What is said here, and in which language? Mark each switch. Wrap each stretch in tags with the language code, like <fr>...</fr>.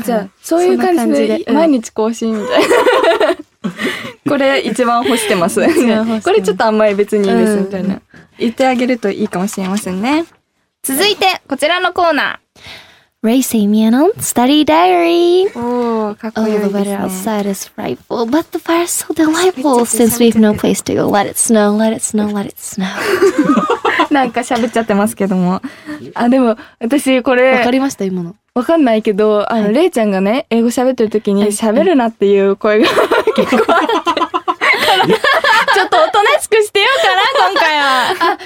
<ja>。あ、じゃあそういう感じ で、うん、毎日更新みたいな。これ一番干してます。これちょっとあんまり別にいいですみたいな、うん、言ってあげるといいかもしれませんね。続いてこちらのコーナー、レイシー・ミアノン・スタディ・ダイアリー。おー、かっこいいですね。</ja> <en>All the weather outside is frightful, but the fire is so delightful. Since we have no place to go, let it snow, let it snow, let it snow.</en> <ja>なんか喋っちゃってますけども、あ、でも私これわかりました、今の。わかんないけど、あの、はい、レイちゃんがね、英語喋ってる時に喋るなっていう声が結構あって、ちょっとおとなしくしてようかな今回は。</ja>